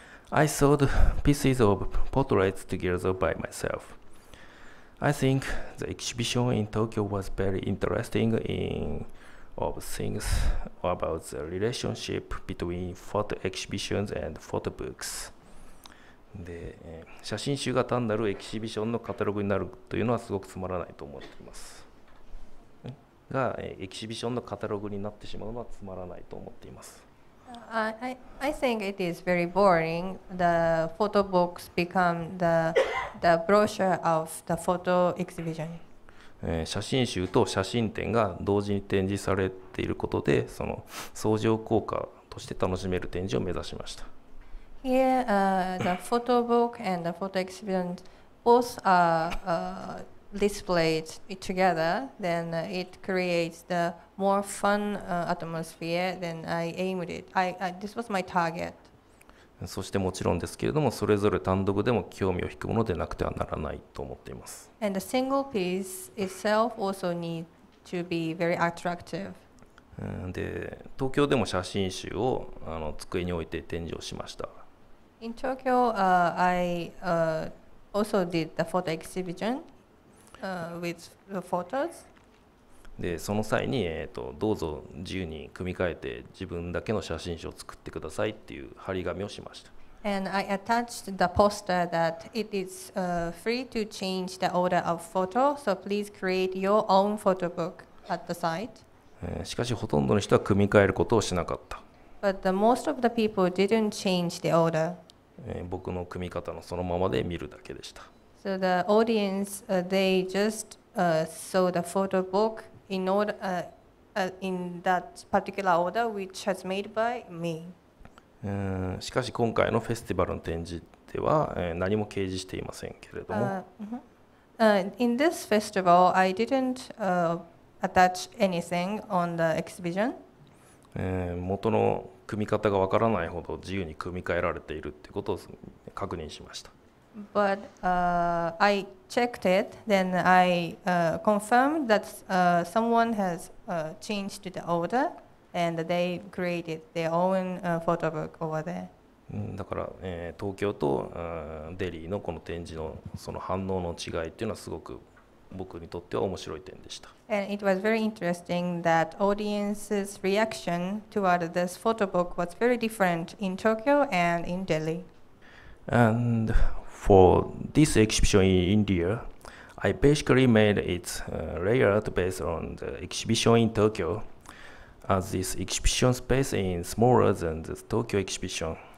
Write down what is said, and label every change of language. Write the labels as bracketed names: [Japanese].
[English] I sewed pieces of portraits together by myself. I think the exhibition in Tokyo was very interesting in of things about the relationship between photo exhibitions and photo books. [Japanese] で、写真集が単なるエキシビションのカタログになるというのはすごくつまらないと思っています。が、エキシビションのカタログになってしまうのはつまらないと思っています。 [English] I think it is very boring. The photo books become the brochure of the photo exhibition. [Japanese] 写真集と写真展が同時に展示されていることで、その相乗効果として楽しめる展示を目指しました。 [English] Here, the photo book and the photo exhibition both are displayed together. Then it creates the more fun atmosphere than I aimed it. This was my target. [Japanese] そしてもちろんですけれども、それぞれ単独でも興味を引くものでなくてはならないと思っています。 [English] And the single piece itself also need to be very attractive. [Japanese] で、東京でも写真集を机に置いて展示をしました。 [English] In Tokyo, I also did the photo exhibition with the photos. [Japanese] で、その際に、どうぞ自由に組み替えて自分だけの写真集を作ってくださいっていう張り紙をしました。 [English] And I attached the poster that it is free to change the order of photo, so please create your own photo book at the site. [Japanese] しかし、ほとんどの人は組み替えることをしなかった。 [English] But the most of the people didn't change the order. [Japanese] 僕の組み方のそのままで見るだけでした。 [English] So the audience, they just saw the photo book in order, in that particular order which was made by me. [Japanese] しかし今回のフェスティバルの展示では、何も掲示していませんけれども。 [English] In this festival, I didn't attach anything on the exhibition. [Japanese] 元の組み方がわからないほど自由に組み替えられているっていうことを確認しました。 [English] But I checked it, then I confirmed that someone has changed the order and they created their own photo book over there. [Japanese] だから、東京とデリーのこの展示のその反応の違いっていうのはすごく僕にとっては面白い点でした。 [English] And it was very interesting that audience's reaction toward this photo book was very different in Tokyo and in Delhi. And for this exhibition in India, I basically made its layout based on the exhibition in Tokyo, as this exhibition space is smaller than the Tokyo exhibition.